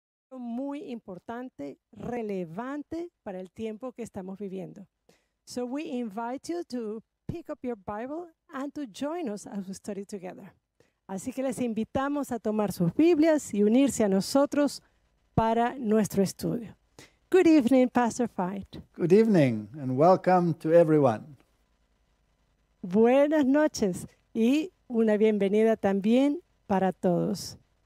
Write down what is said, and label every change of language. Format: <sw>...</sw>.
<es>muy importante, relevante para el tiempo que estamos viviendo.</es> <en>So we invite you to pick up your Bible and to join us as we study together.</en> <es>Así que les invitamos a tomar sus Biblias y unirse a nosotros para nuestro estudio.</es> <en>Good evening, Pastor Veith. Good evening and welcome to everyone.</en> <es>Buenas noches y una bienvenida también para todos.</es>